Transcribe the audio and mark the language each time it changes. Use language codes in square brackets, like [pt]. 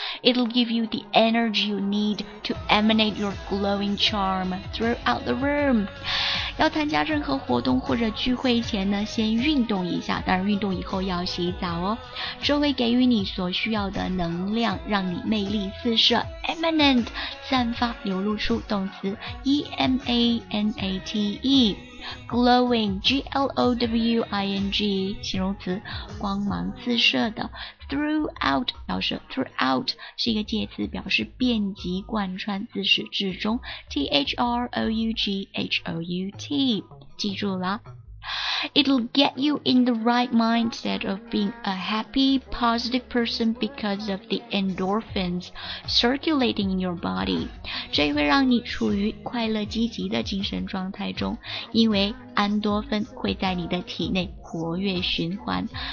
[en] It'll give you the energy you need to emanate your glowing charm throughout the room. [zh] 要参加任何活动或者聚会前呢，先运动一下，当然运动以后要洗澡哦。这会给予你所需要的能量，让你魅力四射 ,emanate, 散发流露出，动词 E-M-A-N-A-T-E。 glowing, G-L-O-W-I-N-G, 形容词，光芒四射的。 Throughout 表示 throughout 是一个介词，表示遍及、贯穿、自始至终。 [en] T-H-R-O-U-G-H-O-U-T, [zh] 记住了。 [en] It'll get you in the right mindset of being a happy, positive person because of the endorphins circulating in your body. [zh] 这会让你处于快乐积极的精神状态中，因为安多芬会在你的体内活跃循环。